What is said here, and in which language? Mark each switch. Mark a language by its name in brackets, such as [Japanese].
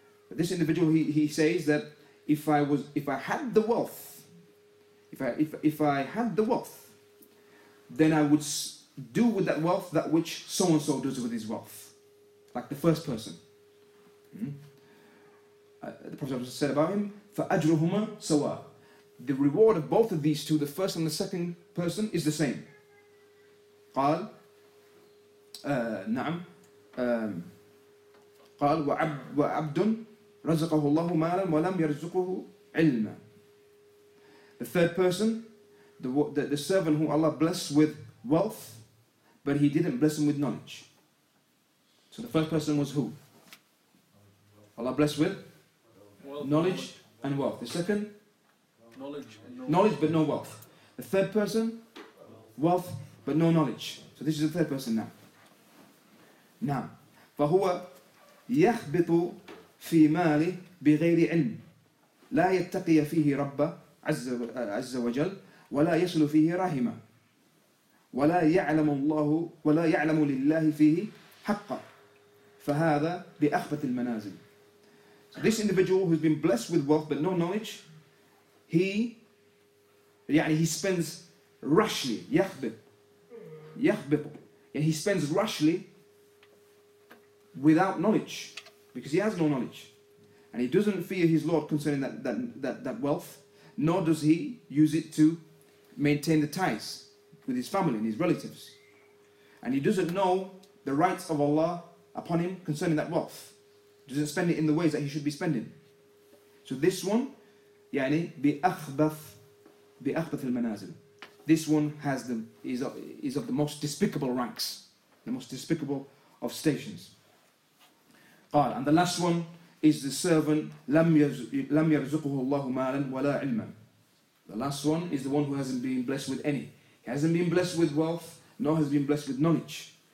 [English] This individual, he says that if I had the wealth, then I would do with that wealth that which so and so does with his wealth, like the first person. The Prophet said about him, [Arabic] فَأَجْرُهُمَا سَوَى. [English] The reward of both of these two, the first and the second person, is the same. [Arabic] قال نعم قال وَعَبْدٌ رَزَقَهُ اللَّهُ مَالًا وَلَمْ يَرْزُقُهُ عِلْمًا. [English] The third person, the servant who Allah blessed with wealth, but he didn't bless him with knowledge. So the first person was who? Allah blessed with knowledge and wealth. The second? Knowledge but no wealth. The third person? Wealth but no knowledge. So this is the third person now. نعم. [Arabic] فَهُوَ يَخْبِطُ في ماله بغير علم لا يتقي فيه رب عز وجل ولا يصل فيه رحمة ولا يعلم الله ولا يعلم لله فيه حقا فهذا بأخبث المنازل. [English] So this individual who's been blessed with wealth but no knowledge, he spends rashly, يخبط, and he spends rashly without knowledge, because he has no knowledge. And he doesn't fear his Lord concerning that wealth, nor does he use it to maintain the ties with his family and his relatives. And he doesn't know the rights of Allah upon him concerning that wealth. He doesn't spend it in the ways that he should be spending. So this one, [Arabic] يعني بأخبث المنازل. [English] This one is of the most despicable ranks, the most despicable of stations. [Arabic] قال, [English] and the last one is the servant, [Arabic] لَمْ يَرْزُقُهُ اللَّهُ مَالًا وَلَا عِلْمًا. [English] The last one is the one who hasn't been blessed with any. He hasn't been blessed with wealth, nor has been blessed with knowledge.